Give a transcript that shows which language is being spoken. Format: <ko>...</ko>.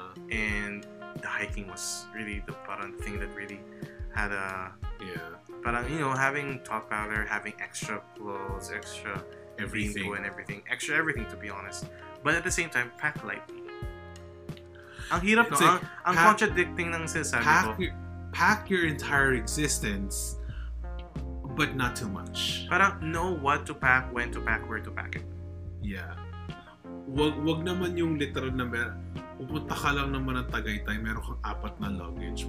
<en>And the hiking was really the parang thing that really had a... Yeah. Parang, you know, having talc powder, having extra clothes, extra everything. Bingo and everything. Extra everything, to be honest. But at the same time, pack lightly.</en> <tl>Ang hirap, no? Ang contradicting ng sinasabi ko.</tl> <en>Pack your entire existence, but not too much. Parang know what to pack, when to pack, where to pack it. Yeah.</en> <tl>Wag naman yung literal na pupunta ka lang naman ng Tagaytay, meron kang apat na luggage.</tl>